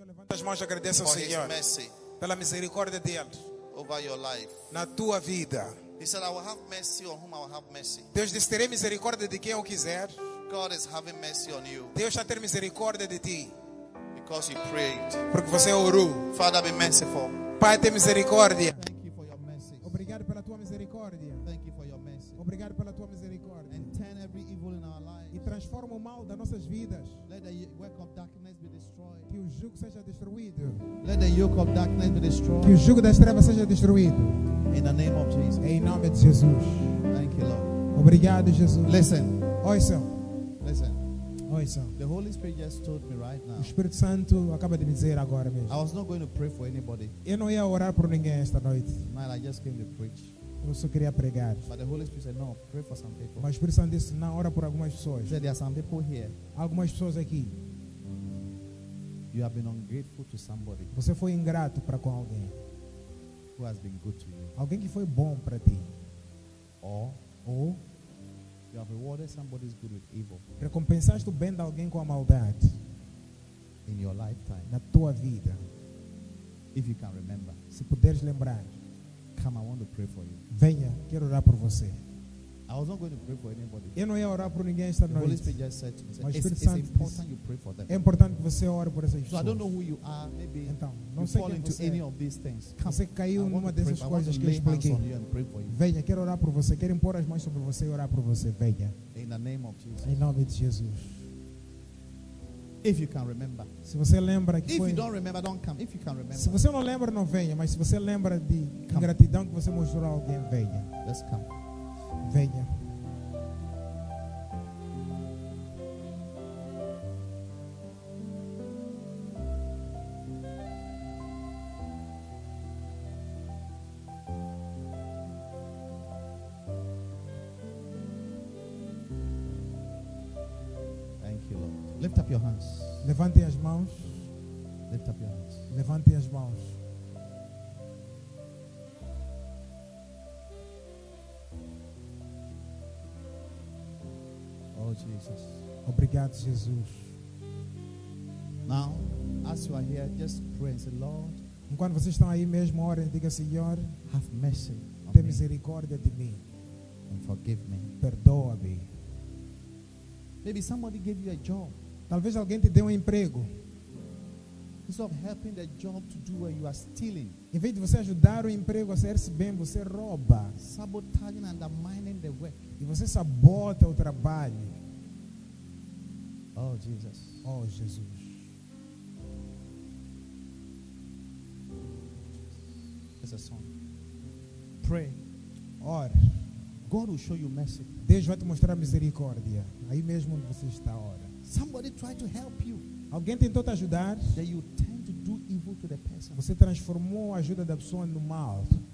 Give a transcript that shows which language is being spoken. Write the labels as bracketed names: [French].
[Portuguese] As mãos agradeçam ao Senhor pela misericórdia dele [English] over your life. [Portuguese] Na tua vida. [English] He said, I will have mercy on whom I will have mercy. [Portuguese] Deus disse, terei misericórdia de quem eu quiser. [English] God is having mercy on you. [Portuguese] Deus está a ter misericórdia de ti. [English] Because you prayed. [Portuguese] Porque você orou. [English] Father, be merciful. [Portuguese] Pai, tem misericórdia. [English] Thank you for your mercy. [Portuguese] Obrigado pela tua misericórdia. [English] Thank you for your mercy. [Portuguese] Obrigado pela tua misericórdia. [English] And turn every evil in our lives. [Portuguese] E transforma o mal das nossas vidas. [English] Let the work of darkness be destroyed. [Portuguese] Que o jugo seja destruído. [English] Let the yoke of darkness be destroyed. [Portuguese] Que o jugo das trevas seja destruído. [English] In the name of Jesus. [Portuguese] Em nome de Jesus. [English] Thank you, Lord. [Portuguese] Obrigado, Jesus. [English] Listen. [Portuguese] Ouça. [English] Listen. [Portuguese] Ouça. [English] The Holy Spirit just told me right now. [Portuguese] O Espírito Santo acaba de me dizer agora mesmo. [English] I was not going to pray for anybody. [Portuguese] Eu não ia orar por ninguém esta noite. [English] Man, I just came to preach. [Portuguese] Eu só queria pregar. [English] But the Holy Spirit said, no, pray for some people. [Portuguese] Mas o Espírito Santo disse, não, ora por algumas pessoas. [English] There are some people here. [Portuguese] Algumas pessoas aqui. [English] You have been ungrateful to somebody. [Portuguese] Você foi ingrato para com alguém. [English] Who has been good to you? [Portuguese] Alguém que foi bom para ti. [English] Or, you have rewarded somebody's good with evil. [Portuguese] Recompensaste o bem de alguém com a maldade. [English] In your lifetime. [Portuguese] Na tua vida. [English] If you can remember. [Portuguese] Se puderes lembrar. [English] Come, I want to pray for you. [Portuguese] Venha, quero orar por você. [English] I was not going to pray for anybody. [Portuguese] Eu não ia orar por ninguém esta noite. [English] The Holy Spirit just said to me, it's important you pray for them. [Portuguese] É importante que você ore por essas pessoas. [English] So I don't know who you are. Maybe [Portuguese] então, [English] you fall into any of these things. Come. [Portuguese] Você caiu numa dessas coisas que eu expliquei. Venha, quero orar por você. Quero impor as mãos sobre você e orar por você. Venha. [English] In the name of Jesus. [Portuguese] Em nome de Jesus. [English] If you can remember. [Portuguese] Se você lembra que [English] if [Portuguese] foi. [English] You don't remember, don't come. If you can remember. [Portuguese] Se você não lembra, não venha. Mas se você lembra de ingratidão que você mostrou a alguém, venha. [English] Let's come. [Portuguese] Venha. [English] Thank you, Lord. Lift up your hands. [Portuguese] Levante as mãos. [English] Lift up your hands. [Portuguese] Levante as mãos. [English] Jesus. [Portuguese] Obrigado, Jesus. [English] Now, as you are here, just pray and say, Lord. [Portuguese] Enquanto vocês estão aí mesmo, ore e diga, Senhor, [English] have mercy. [Portuguese] Tem misericórdia de mim. [English] And forgive me. [Portuguese] Perdoa-me. [English] Maybe somebody gave you a job. [Portuguese] Talvez alguém te deu um emprego. [English] Instead of helping the job to do what you are stealing. [Portuguese] Em vez de você ajudar o emprego a sair-se bem, você rouba. [English] Sabotaging and undermining the work. [Portuguese] E você sabota o trabalho. [English] Oh Jesus. [Portuguese] Oh Jesus. [English] There's a song. Pray. [Portuguese] Ora. [English] God will show you mercy. [Portuguese] Deus vai te mostrar misericórdia. Aí mesmo onde você está, ora. [English] Somebody tried to help you. [Portuguese] Alguém tentou te ajudar. [English] That you tend to do evil to the person. [Portuguese] Você transformou a ajuda da pessoa no mal.